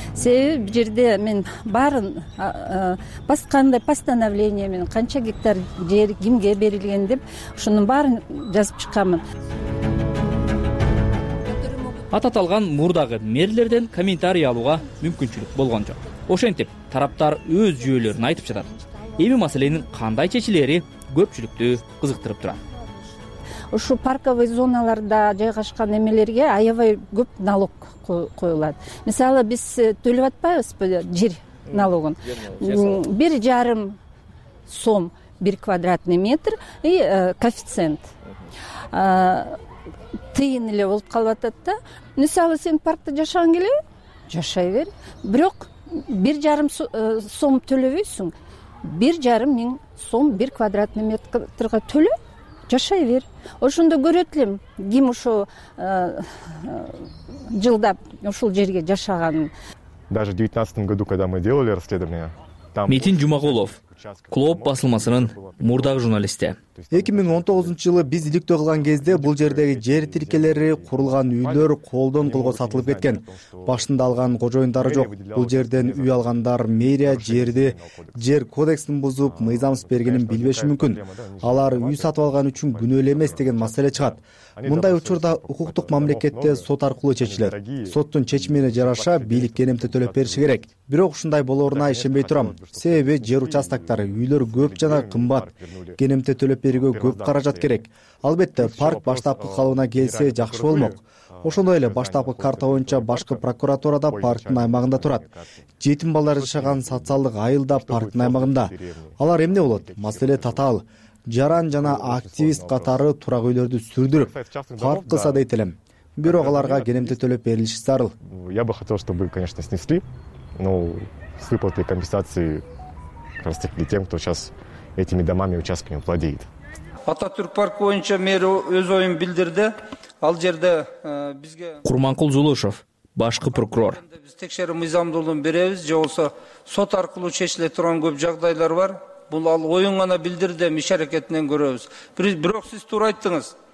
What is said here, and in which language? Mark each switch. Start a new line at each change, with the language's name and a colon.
Kyrgyz: Себеби бул жерде мен баарын кандай постановление менен канча гектар жер кимге берилген деп ушунун баарын жазып чыкканмын. Аталган мурдагы мэрлерден комментарий алууга мүмкүнчүлүк болгон жок. Ошентип тараптар өз жүйөлөрүн айтып жатат. Эми маселенин кандай чечилери көпчүлүктү кызыктырып турат. Ушул парковый зоналарда жайгашкан эмелерге аябай көп налог коюлат. Мисалы биз төлөп атпайбызбы жер налогун?
Russian: 1.5 сом бир квадратный метр и коэффициент.
Kyrgyz: Тыйын эле болуп калып атат да. Мисалы сен паркта жашагың келеби? Жашай бер. Бирок 1.5 сом төлөбөйсүң. 1.5 миң сом бир квадратный метрга төлө, жашай бер. Ошондо көрөт элем ким ошо жылдап ушул жерге жашаганын.
Russian: Даже в 2019 году, когда мы делали расследование,
Kyrgyz: Метин Жумагулов, Клооп басылмасынын мурдагы журналисти. 2019-жылы биз иликтөө кылган кезде бул жердеги жер тиркелери, курулган үйлөр колдон колго сатылып кеткен. Башында алган кожоюндары жок. Бул жерден үй алгандар мэрия жерди жер кодексин бузуп, мыйзамсыз бергенин билбеши мүмкүн. Алар үй сатып алган үчүн күнөөлүү эмес деген маселе чыгат. Мындай учурда укуктук мамлекетте сот аркылуу чечилет. Соттун чечимине жараша бийликке эмне төлөп бериши керек. Бирок ушундай болоруна ишенбей турам. Себеби жер участоктору, үйлөр көп жана кымбат. Кенемте төлөп берүүгө көп каражат керек. Албетте, парк баштапкы калыбына келсе жакшы болмок. Ошондой эле баштапкы карта боюнча башкы прокуратурада парктын аймагында турат. Жетим балдар жашаган социалдык айыл да парктын аймагында. Алар эмне болот? Маселе татаал. Жаран жана активист катары турак үйлөрдү сүрдүрүп, парк кылса дейт элем. Бирок аларга кенемте төлөп берилиши зарыл.
Russian: Я бы хотел, чтобы, конечно, снесли, но с выплатой компенсации как раз таки тем, кто сейчас этими домами, участками владеет.
Kyrgyz: Ататүрк парк боюнча мэр өз оюн билдирди. Ал жерде бизге Курманкул Зулушов, башкы прокурор. Биз текшерүү мыйзамдуулугун беребиз, же болсо сот аркылуу чечиле турган көп жагдайлар бар. Бул ал оюн гана билдирди, иш аракетинен көрөбүз. Бирок сиз туура айттыңыз.